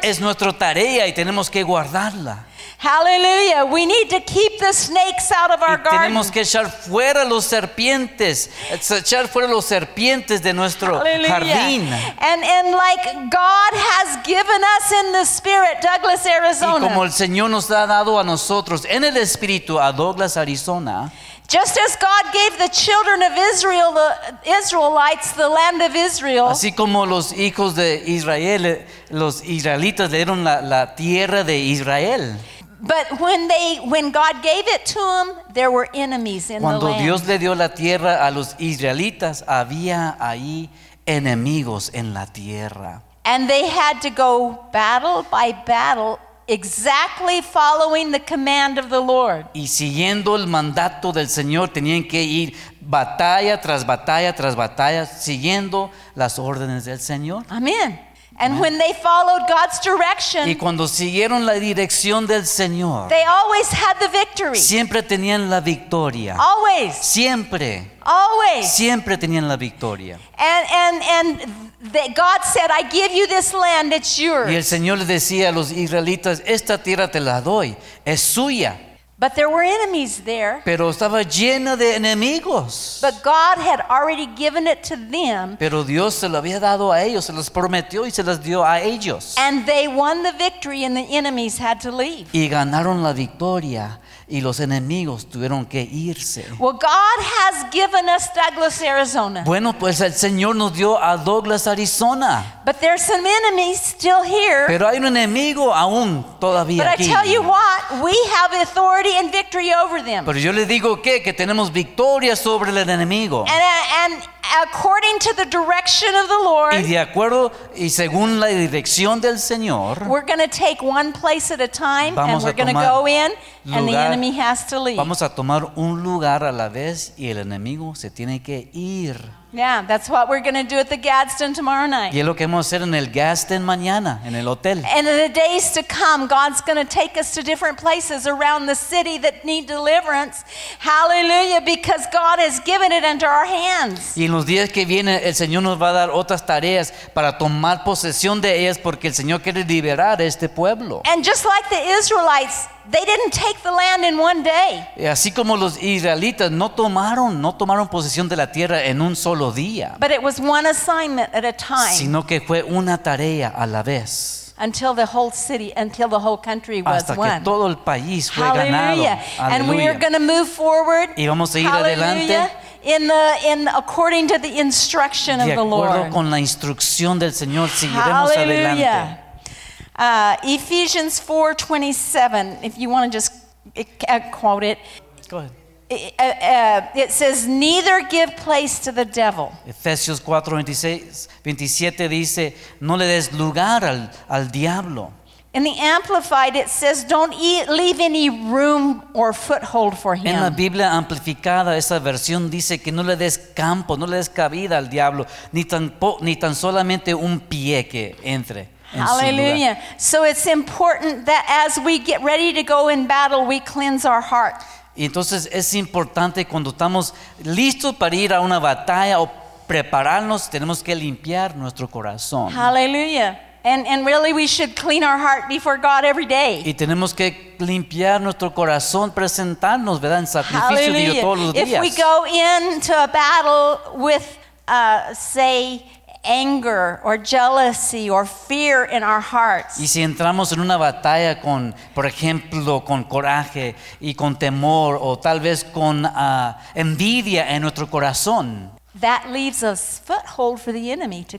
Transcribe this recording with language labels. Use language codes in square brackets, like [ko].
[es] Es nuestra tarea y tenemos que guardarla. [en] Hallelujah. We need to keep the snakes out of our garden. [es] Tenemos que echar fuera los serpientes. Echar fuera los serpientes de nuestro jardín. [en] And like God has given us in the spirit, Douglas, Arizona. [es] Y como el Señor nos ha dado a nosotros en el espíritu a Douglas, Arizona. [en] Just as God gave the children of Israel, the Israelites, the land of Israel. [es] Así como los hijos de Israel, los israelitas le dieron la tierra de Israel. [en] But when God gave it to them, there were enemies in [es] Cuando [en] the land. [es] Cuando Dios le dio la tierra a los israelitas, había ahí enemigos en la tierra. [en] And they had to go battle by battle. Exactly following the command of the Lord. [es] Y siguiendo el mandato del Señor, tenían que ir batalla tras batalla tras batalla, siguiendo las órdenes del Señor. [en] Amen. And when they followed God's direction, [es] y cuando siguieron la dirección del Señor, [en] they always had the victory. [es] Siempre tenían la victoria. [en] Always. [es] Siempre. [en] Always. [es] Siempre tenían la victoria. [en] And that God said, I give you this land, it's yours. [es] Y el Señor les decía a los israelitas, esta tierra te la doy, es suya. [en] But there were enemies there. [es] Pero estaba llena de enemigos. [en] But God had already given it to them. [es] Pero Dios se lo había dado a ellos, se los prometió y se las dio a ellos. [en] And they won the victory and the enemies had to leave. [es] Y ganaron la victoria y los enemigos tuvieron que irse. [en] Well, God has given us Douglas, Arizona. [es] Bueno, pues el Señor nos dio a Douglas, Arizona. [en] But there's some enemies still here. [es] Pero hay un enemigo aún todavía [en] But [es] aquí. [en] But I tell you what, we have authority and victory over them. [es] Pero yo le digo que tenemos victoria sobre el enemigo. [en] And according to the direction of the Lord. [es] Y de acuerdo y según la dirección del Señor. [en] We're going to take one place at a time, [es] vamos [en] and we're going to go in, [es] lugar, [en] and the enemy has to leave. [es] Vamos a tomar un lugar a la vez y el enemigo se tiene que ir. [en] Yeah, that's what we're going to do at the Gadsden tomorrow night. [es] Y es lo que vamos a hacer en el Gadsden mañana, en el hotel. [en] And in the days to come, God's going to take us to different places around the city that need deliverance. Hallelujah, because God has given it into our hands. [es] Y en los días que vienen, el Señor nos va a dar otras tareas para tomar posesión de ellas porque el Señor quiere liberar a este pueblo. [en] And just like the Israelites, they didn't take the land in one day. [es] Y así como los israelitas no tomaron posesión de la tierra en un solo día. [en] But it was one assignment at a time. [es] Sino que fue una tarea a la vez. [en] Until the whole city, until the whole country was [es] Hasta que [en] won. [es] Todo el país fue [en] Hallelujah. [es] Ganado. [en] Hallelujah. And we are going to move forward. [es] Y vamos a seguir adelante. [en] In according to the instruction of the Lord. [es] De acuerdo con la instrucción del Señor seguiremos [en] Hallelujah. [es] Adelante. [en] Ephesians 4:27. If you want to just quote it, go ahead. It says, "Neither give place to the devil." [es] Efesios 4:27 dice, "No le des lugar al diablo." [en] In the Amplified, it says, "Don't leave any room or foothold for him." [es] En la Biblia amplificada, esa versión dice que no le des campo, no le des cabida al diablo, ni tan solamente un pie que entre. [en] Hallelujah. So it's important that as we get ready to go in battle, we cleanse our heart. [es] Y entonces es importante cuando estamos listos para ir a una batalla o prepararnos, tenemos que limpiar nuestro corazón. [en] Hallelujah. And really we should clean our heart before God every day. [es] Y tenemos que limpiar nuestro corazón, presentarnos, ¿verdad? En sacrificio [en] Hallelujah. [es] De Dios todos los días. [en] If we go into a battle with say anger or jealousy or fear in our hearts. [es] Y si entramos en una batalla con, por ejemplo, con coraje y con temor o tal vez con envidia en nuestro corazón. [en] That leaves a foothold for the enemy to